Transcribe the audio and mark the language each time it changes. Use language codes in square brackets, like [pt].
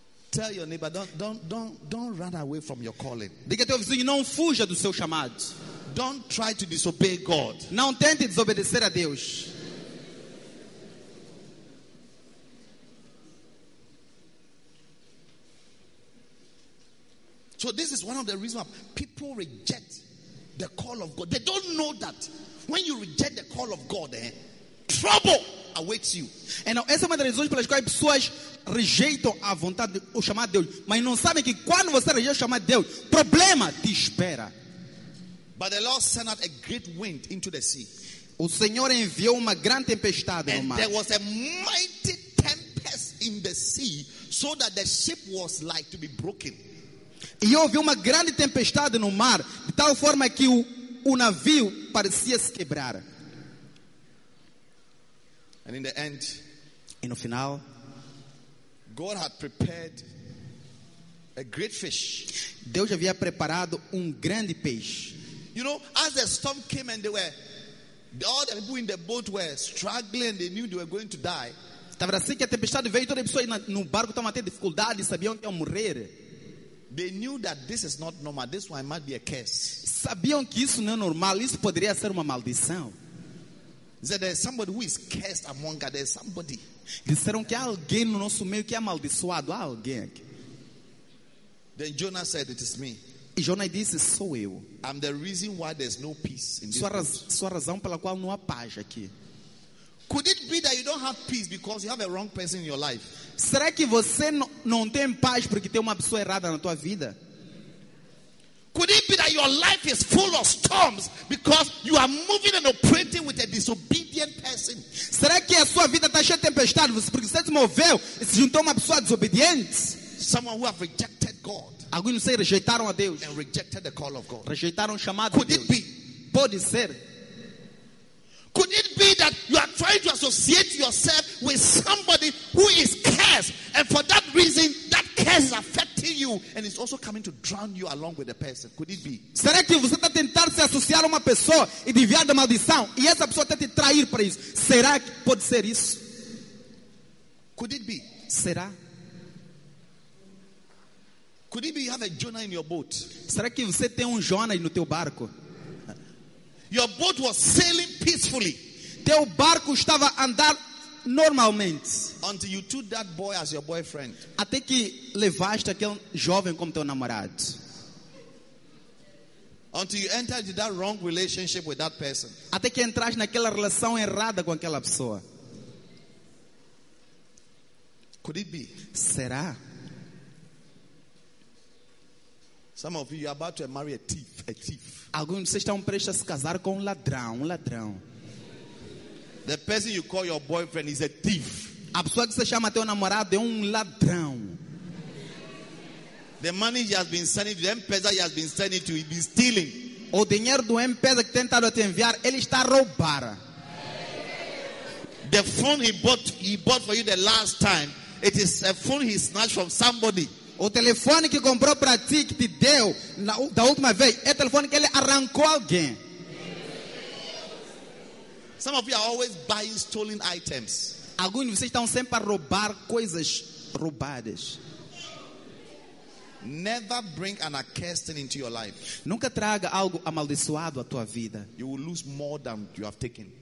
[en] Tell your neighbor, don't run away from your calling. [pt] Diga teu vizinho, não fuja do seu chamado. [en] Don't try to disobey God. [pt] Não tente desobedecer a Deus. [en] So this is one of the reasons why people reject the call of God. They don't know that when you reject the call of God, trouble awaits you. [pt] Então, essa é uma das razões pelas quais pessoas rejeitam a vontade, o chamado de Deus. Mas não sabem que quando você rejeita o chamado de Deus, problema te espera. [en] But the Lord sent out a great wind into the sea. [pt] O Senhor enviou uma grande tempestade no mar. [en] And there was a mighty tempest in the sea, so that the ship was like to be broken. [pt] E houve uma grande tempestade no mar, de tal forma que o navio parecia se quebrar. [en] And in the end, [pt] e no final, [en] God had prepared a great fish. [pt] Deus havia preparado grande peixe. [en] You know, as the storm came and they were, all the people in the boat were struggling, they knew they were going to die. [pt] Estava assim que a tempestade veio, toda a pessoa no barco estava tendo dificuldade, sabiam que iam morrer. [en] They knew that this is not normal, this one might be a curse. [pt] Sabiam que isso não é normal, isso poderia ser uma maldição. [en] Said there's somebody who is cursed among us. There's somebody. [pt] Disseram que há alguém no nosso meio que é amaldiçoado. Há alguém aqui. [en] Then Jonah said, "It is me." [pt] E Jonah disse, "Sou eu." [en] I'm the reason why there's no peace in this world. [pt] Sua razão pela qual não há paz aqui. [en] Could it be that you don't have peace because you have a wrong person in your life? [pt] Será que você não tem paz porque tem uma pessoa errada na tua vida? [en] Could it be that your life is full of storms because you are moving and operating with a disobedient person? [pt] Será que a sua vida está cheia de tempestades porque você se moveu e se juntou a uma pessoa desobediente? [en] Someone who have rejected God. [pt] Alguém não sei, rejeitaram a Deus. [en] And rejected the call of God. [pt] Rejeitaram o chamado de Deus. Could [en] it be? [pt] Pode ser. [en] Could it be that you are trying to associate yourself with somebody who is cursed and for that reason that curse is affecting killing you and it's also coming to drown you along with the person. Could it be? [pt] Será que você está tentando se associar a uma pessoa e desviar da maldição e essa pessoa está te trair para isso? Será que pode ser isso? [en] Could it be? [pt] Será? [en] Could it be you have a Jonah in your boat? [pt] Será que você tem Jonah no teu barco? [en] Your boat was sailing peacefully. [pt] Teu barco estava andar normalmente. [en] Until you took that boy as your boyfriend. [pt] Até que levaste aquele jovem como teu namorado. [en] Until you entered that wrong relationship with that person. [pt] Até que entraste naquela relação errada com aquela pessoa. [en] Could it be? [pt] Será? [en] Some of you are about to marry a thief. A thief. [pt] Alguns de vocês estão prestes a se casar com um ladrão. [en] The person you call your boyfriend is a thief. [pt] A pessoa que você chama teu namorado é um ladrão. [en] The money he has been sending to, the M-Pesa he has been sending to, he's been stealing. [pt] O dinheiro do M-Pesa que tentaram te enviar, ele está a roubar. [en] The phone he bought for you the last time, it is a phone he snatched from somebody. [pt] O telefone que comprou para ti, que te deu da última vez, é o telefone que ele arrancou alguém. [en] Some of you are always buying stolen items. [pt] Alguns de vocês estão sempre a roubar coisas roubadas. [en] Never bring an accursed thing into your life. [pt] Nunca traga algo amaldiçoado à tua vida. [en] You will lose more than you have taken.